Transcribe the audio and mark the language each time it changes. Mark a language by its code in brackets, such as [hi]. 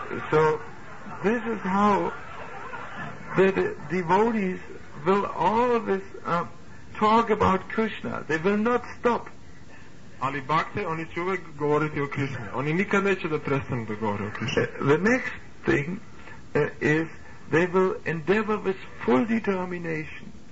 [en] So this is how the devotees will always talk about Krishna. They will not stop. [sr] Ali bhakte, oni će uvek govoriti o Krishna. Oni nikad neće da prestanu da govore o Krishna. [en] The next thing is they will endeavor with full determination.